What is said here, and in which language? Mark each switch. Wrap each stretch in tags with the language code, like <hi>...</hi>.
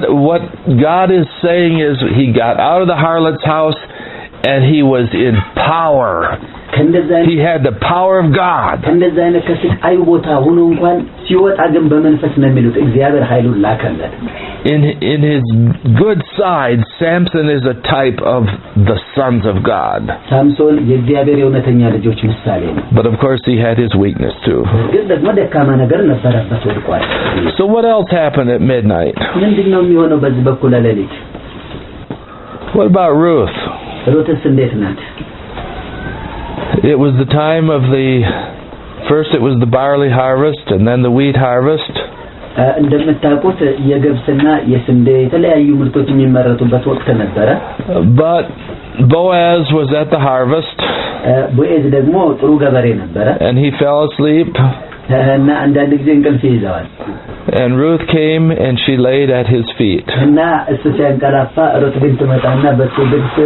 <en>What God is saying is he got out of the harlot's house and he was in power. He had the power of God.</en> <am>እንደዛ ከስክ አይወጣ ሆኖ እንኳን ሲወጣ ግን በመንፈስ ነው የሚሉት እግዚአብሔር ኃይሉን ላከለት.</am> <en>In his good side Samson is a type of the sons of God.</en> <am>Samson የእግዚአብሔር የእውነተኛ ልጆች ምሳሌ ነው.</am> <en>But of course he had his weakness too.</en> <am>ግን ደግሞ ደካማ ነገር ነበረበት ወድቋል.</am> <en>So what else happened at midnight?</en> <am>ምንድን ነው የሚሆነው በዚህ በኩል ለሌሊት?</am> <en>What about Ruth?</en> <am>ሩትስ እንዴት ናት?</am> <en>It was the time of the first it was the barley harvest and then the wheat harvest.</en> <am>እንደምታውቁት የገብስና የስንዴ የተለያዩ ምርቶች የሚመረቱበት ወቅት ነበር።</am> <en>But Boaz was at the harvest.</en> <am>ቦአዝ ደግሞ ጥሩ ገበሬ ነበር።</am> <en>And he fell asleep.</en> <am>እና አንዳንድ ጊዜ እንቅልፍ ይይዛል።</am> <en>And Ruth came and she laid at his feet.</en> <am>እና እሱን ካላፋ ሩት ግን ተመጣና በሱ ግን</am>